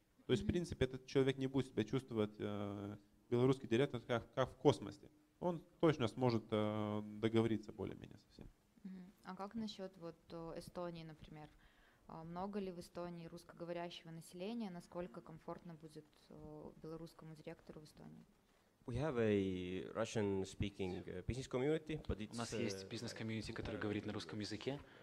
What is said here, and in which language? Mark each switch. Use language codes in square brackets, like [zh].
[ru] То есть, в принципе, этот человек не будет себя чувствовать, белорусский директор, как в космосе. Он точно сможет договориться более-менее со всем. А как насчет Эстонии, например? Много ли в Эстонии русскоговорящего населения? Насколько комфортно будет белорусскому директору в Эстонии? [en] We have a Russian-speaking business community, but it's [ru] у нас есть бизнес-комьюнити, который говорит на русском языке.